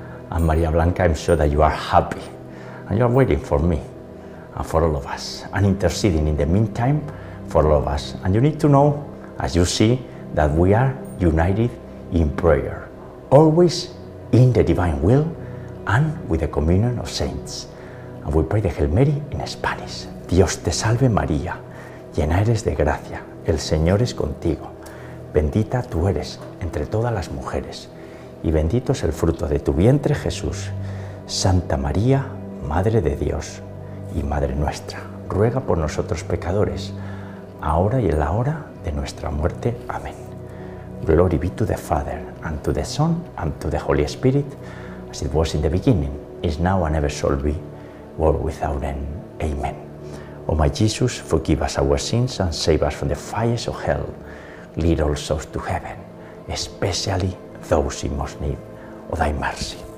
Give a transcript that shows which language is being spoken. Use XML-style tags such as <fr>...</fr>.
<en>And Maria Blanca, I'm sure that you are happy and you are waiting for me and for all of us and interceding in the meantime for all of us. And you need to know, as you see, that we are united in prayer, always in the divine will and with the communion of saints. And we pray the Hail Mary in Spanish.</en> <es>Dios te salve María, llena eres de gracia, el Señor es contigo. Bendita tú eres entre todas las mujeres y bendito es el fruto de tu vientre, Jesús. Santa María, Madre de Dios y Madre nuestra, ruega por nosotros pecadores, ahora y en la hora de nuestra muerte. Amén.</es> <en>Glory be to the Father, and to the Son, and to the Holy Spirit, as it was in the beginning, is now, and ever shall be, world without end. Amen. O my Jesus, forgive us our sins and save us from the fires of hell. Lead all souls to heaven, especially those in most need of thy mercy.</en>